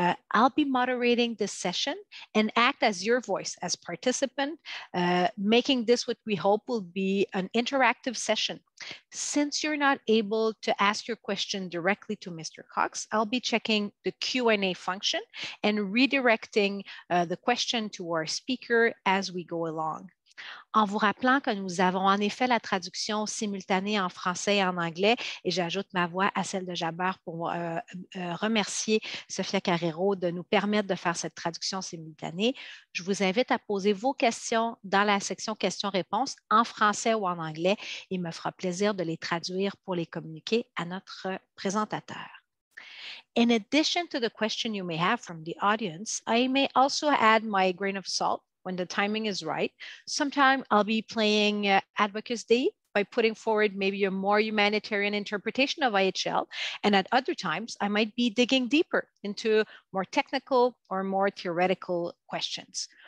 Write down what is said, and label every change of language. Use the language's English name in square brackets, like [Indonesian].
[English] I'll be moderating this session and act as your voice, as participant, making this what we hope will be an interactive session. Since you're not able to ask your question directly to Mr. Cox, I'll be checking the Q&A function and redirecting the question to our speaker as we go along. [French] En vous rappelant que nous avons en effet la traduction simultanée en français et en anglais, et j'ajoute ma voix à celle de Jabbar pour remercier Sophia Carreiro de nous permettre de faire cette traduction simultanée, je vous invite à poser vos questions dans la section questions-réponses en français ou en anglais. Il me fera plaisir de les traduire pour les communiquer à notre présentateur. [English] In addition to the question you may have from the audience, I may also add my grain of salt. When the timing is right, sometime I'll be playing Advocate's Day by putting forward maybe a more humanitarian interpretation of IHL. And at other times, I might be digging deeper into more technical or more theoretical questions.